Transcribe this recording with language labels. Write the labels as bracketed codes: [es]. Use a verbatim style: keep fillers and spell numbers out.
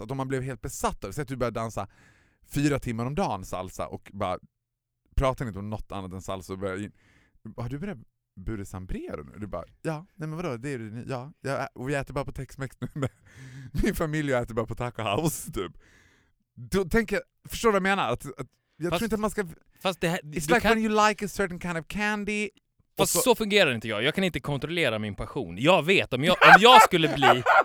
[sv] Att om man blev helt besatt av det. Så att du började dansa fyra timmar om dagen salsa och bara pratar inte om något annat än salsa och började in... Har du börjat bure sambrero nu? Du bara, ja, nej men vadå, det är det ja, jag, och jag äter bara på Tex-Mex nu. Min familj äter bara på Taco House typ. Då tänker jag, förstår du vad jag menar? Att, att, jag fast, tror inte att man ska... Fast det här, [en] it's like [sv] kan... [en] when you like a certain kind of candy. [sv] Fast så... så fungerar inte jag. Jag kan inte kontrollera min passion. Jag vet, om jag, om jag skulle bli...